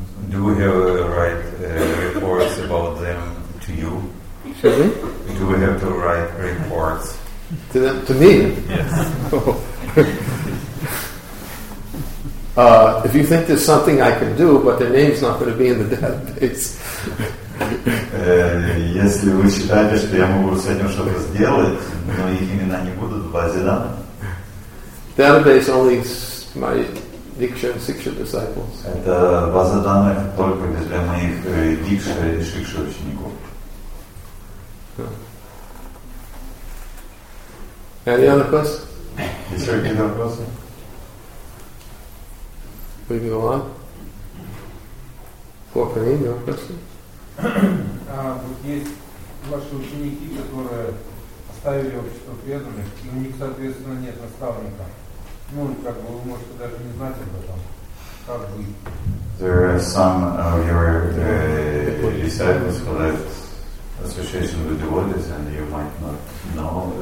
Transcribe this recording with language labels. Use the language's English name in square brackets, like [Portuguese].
[English] Do we have to write reports about them to you? Excuse me? Do we have to write reports? To them, to me? Yes. If you think there's something I can do, but their name's not going to be in the database. [Russian] Если вы считаете, что я могу с этим что-то сделать, но их имена не будут в базе данных. [English] Database only my Diksha and Siksha disciples. [Russian] Это база данных только для моих Diksha и Siksha учеников. [English] Any other question? Is there any other question? We go on. For Panini, your question? [Russian] Вот есть ваши ученики, которые оставили общество преданных, и у них, соответственно, нет наставника. Ну, как бы, вы можете даже не знать об этом. Как бы. [English] There are some of your disciples who left association with devotees, and you might not know.